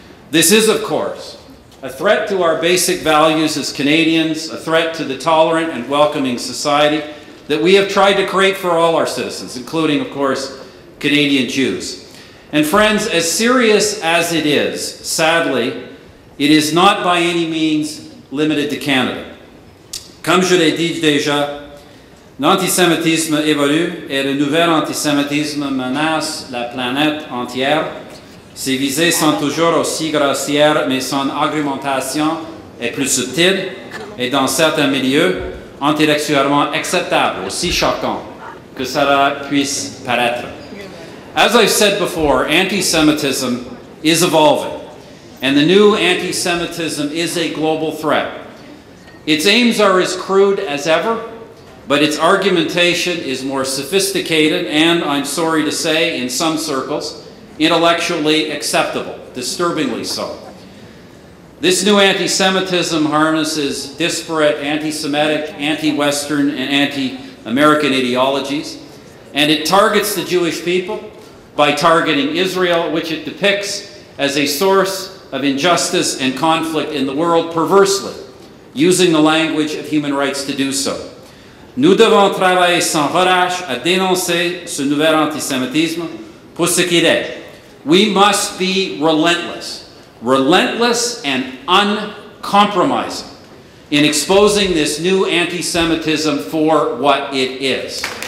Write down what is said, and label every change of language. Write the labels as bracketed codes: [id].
[en] This is, of course, a threat to our basic values as Canadians, a threat to the tolerant and welcoming society that we have tried to create for all our citizens, including, of course, Canadian Jews. And friends, as serious as it is, sadly, it is not by any means limited to Canada. [fr] Comme je l'ai dit déjà, l'antisémitisme évolue et le nouvel antisémitisme menace la planète entière. Ses visées sont toujours aussi grossières, mais son argumentation est plus subtile et dans certains milieux, intellectuellement acceptable, aussi choquant que cela puisse paraître. [en] As I've said before, anti-Semitism is evolving, and the new anti-Semitism is a global threat. Its aims are as crude as ever, but its argumentation is more sophisticated and, I'm sorry to say, in some circles, intellectually acceptable, disturbingly so. This new anti-Semitism harnesses disparate anti-Semitic, anti-Western, and anti-American ideologies, and it targets the Jewish people by targeting Israel, which it depicts as a source of injustice and conflict in the world, perversely, using the language of human rights to do so. [fr] Nous devons travailler sans relâche à dénoncer ce nouvel antisémitisme pour ce qu'il est. [en] We must be relentless, relentless and uncompromising in exposing this new anti-Semitism for what it is.